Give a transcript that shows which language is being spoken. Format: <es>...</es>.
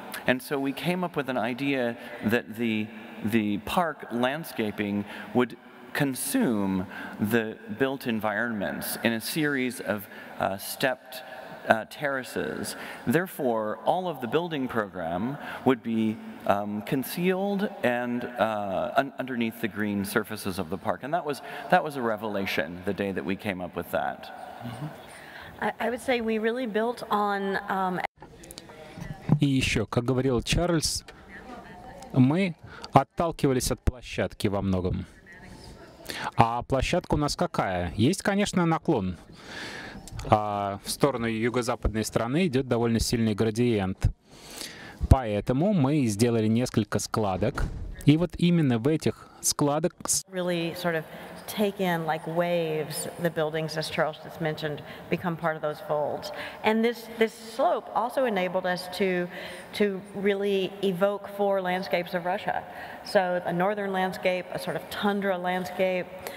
<en>And so we came up with an idea that the park landscaping would consume the built environments in a series of stepped terraces. Therefore, all of the building program would be concealed and underneath the green surfaces of the park. And that was a revelation the day that we came up with that. Mm-hmm. I would say we really built on</en> <ru>И еще, как говорил Чарльз, мы отталкивались от площадки во многом. А площадка у нас какая? Есть, конечно, наклон. А в сторону юго-западной стороны идет довольно сильный градиент. Поэтому мы сделали несколько складок. И вот именно в этих складок...</ru> <en>Really sort of take in like waves, the buildings, as Charles just mentioned, become part of those folds. And this slope also enabled us to really evoke four landscapes of Russia. So a northern landscape, a sort of tundra landscape,</en>